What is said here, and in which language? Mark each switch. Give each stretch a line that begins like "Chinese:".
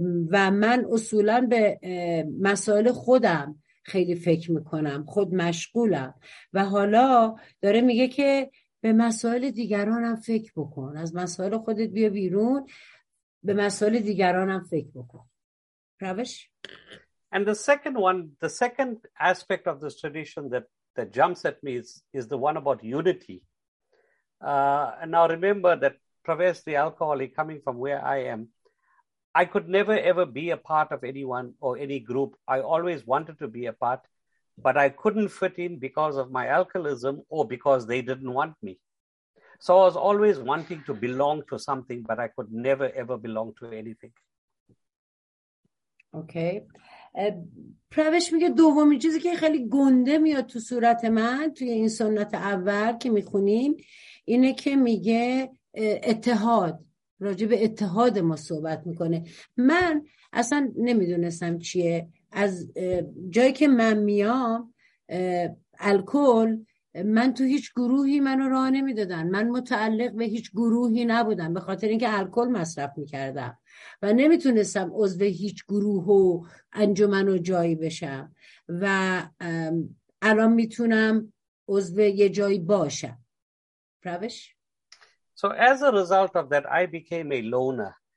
Persian: و من اصولا به مسائل خودم خیلی فکر میکنم، خود مشغولم و حالا داره میگه که به مسائل دیگرانم فکر بکن، از مسائل خودت بیا بیرون، به مسائل دیگرانم فکر بکن. روش؟
English: And the second aspect of this tradition that jumps at me is the one about unity. And now remember that Pravesh the alcoholic, coming from where I am, I could never ever be a part of anyone or any group. I always wanted to be a part, but I couldn't fit in because of my alcoholism or because they didn't want me. So I was always wanting to belong to something, but I could never ever belong to anything. Okay.
Persian: پروش میگه دومین چیزی که خیلی گنده میاد تو صورت من توی این سنت اول که میخونیم اینه که میگه اتحاد، راجع به اتحاد ما صحبت میکنه. من اصلا نمیدونستم چیه. از جایی که من میام الکل، من تو هیچ گروهی منو راه نمیدادن، من متعلق به هیچ گروهی نبودم به خاطر اینکه الکل مصرف میکردم و نمیتونستم عضو هیچ گروه و انجمن و جایی بشم و الان میتونم عضو یه جایی باشم. پروش؟
English: So as a result of that, I became a loner.